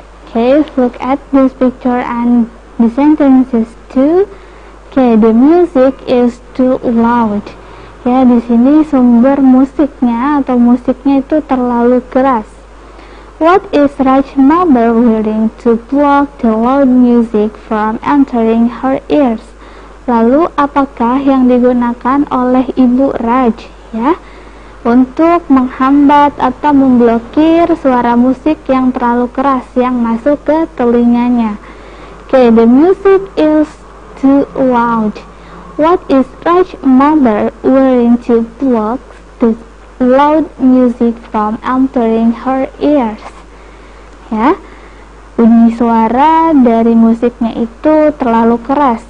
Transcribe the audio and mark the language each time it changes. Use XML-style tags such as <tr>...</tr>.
<en>Okay, look at this picture and the sentences too. Okay, the music is too loud.</en> <id>Ya, di sini sumber musiknya atau musiknya itu terlalu keras.</id> <en>What is Raj mother willing to block the loud music from entering her ears?</en> <id>Lalu apakah yang digunakan oleh Ibu Raj, ya, untuk menghambat atau memblokir suara musik yang terlalu keras yang masuk ke telinganya?</id> <en>Okay, the music is too loud. What is Raj's mother willing to block the loud music from entering her ears?</en> <id>Ya. Bunyi suara dari musiknya itu terlalu keras.</id>